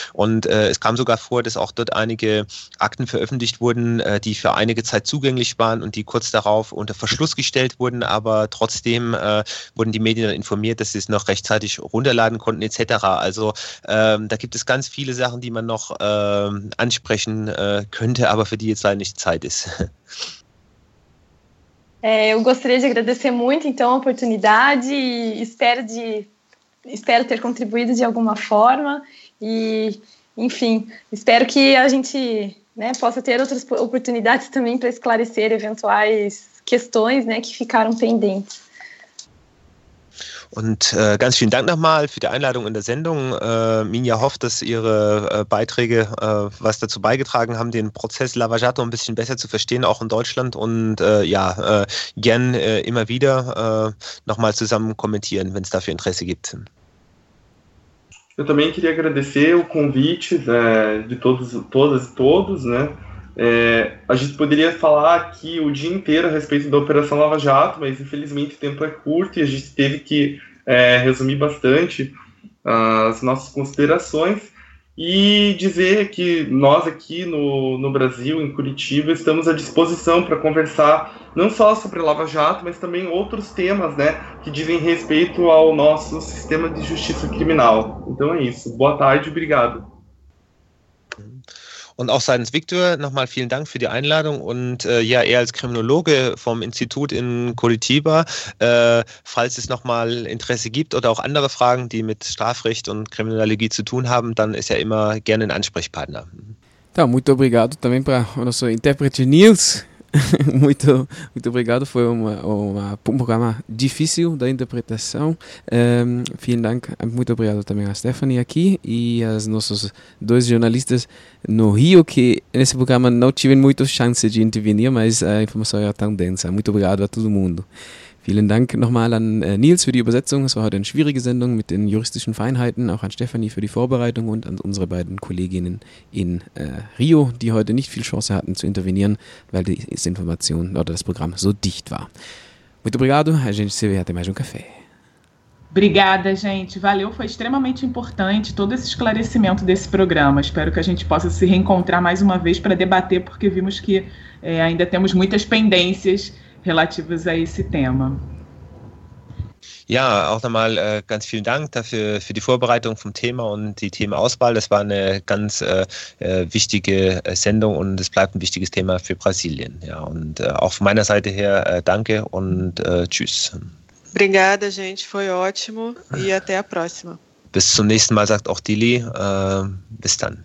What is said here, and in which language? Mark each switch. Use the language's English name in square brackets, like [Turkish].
[German] Und es kam sogar vor, dass auch dort einige Akten veröffentlicht wurden, die für einige Zeit zugänglich waren und die kurz darauf unter Verschluss gestellt wurden, aber trotzdem wurden die Medien dann informiert, dass sie es noch rechtzeitig runterladen konnten etc. Also da gibt es ganz viele Sachen, die man noch ansprechen könnte, aber für die jetzt leider nicht Zeit ist. [Portuguese] Eu gostaria de agradecer muito então a oportunidade e espero ter contribuído de alguma forma e enfim, espero que a gente, né, possa ter outras oportunidades também para esclarecer eventuais questões, né, que ficaram pendentes. [German] Und ganz vielen Dank nochmal für die Einladung in der Sendung. Minja hofft, dass Ihre Beiträge was dazu beigetragen haben, den Prozess Lava Jato ein bisschen besser zu verstehen, auch in Deutschland. Und gern immer wieder nochmal zusammen kommentieren, wenn es dafür Interesse gibt. [Portuguese] Eu também queria agradecer o convite, né, de todos, né? A gente poderia falar aqui o dia inteiro a respeito da Operação Lava Jato, mas infelizmente o tempo é curto e a gente teve que resumir bastante as nossas considerações e dizer que nós aqui no Brasil, em Curitiba, estamos à disposição para conversar não só sobre Lava Jato, mas também outros temas, né, que dizem respeito ao nosso sistema de justiça criminal. Então é isso. Boa tarde, obrigado. [German] Und auch seitens Victor nochmal vielen Dank für die Einladung und ja, er als Kriminologe vom Institut in Curitiba, falls es nochmal Interesse gibt oder auch andere Fragen, die mit Strafrecht und Kriminologie zu tun haben, dann ist er immer gerne ein Ansprechpartner. [Portuguese] Tá, muito obrigado também para o nosso intérprete Nils. Muito, muito obrigado, foi um programa difícil da interpretação. [German] Vielen Dank, [Portuguese] muito obrigado também a Stephanie aqui e aos nossos dois jornalistas no Rio, que nesse programa não tive muita chance de intervenir, mas a informação era tão densa. Muito obrigado a todo mundo. [German] Vielen Dank nochmal an Nils für die Übersetzung. Es war heute eine schwierige Sendung mit den juristischen Feinheiten. Auch an Stephanie für die Vorbereitung und an unsere beiden Kolleginnen in Rio, die heute nicht viel Chance hatten zu intervenieren, weil die Information oder das Programm so dicht war. [Portuguese] Muito obrigado. A gente se vê até mais café. Obrigada, gente. Valeu. Foi extremamente importante todo esse esclarecimento desse programa. Espero que a gente possa se reencontrar mais uma vez para debater, porque vimos que ainda temos muitas pendências relativas a esse tema. [German] Ja, auch nochmal ganz vielen Dank dafür für die Vorbereitung vom Thema und die Themenauswahl. Das war eine ganz wichtige Sendung und es bleibt ein wichtiges Thema für Brasilien. Ja, und auch von meiner Seite her danke und tschüss. [Portuguese] Obrigada, gente. Foi ótimo. E até a próxima. [German] Bis zum nächsten Mal, sagt auch Dili. Bis dann.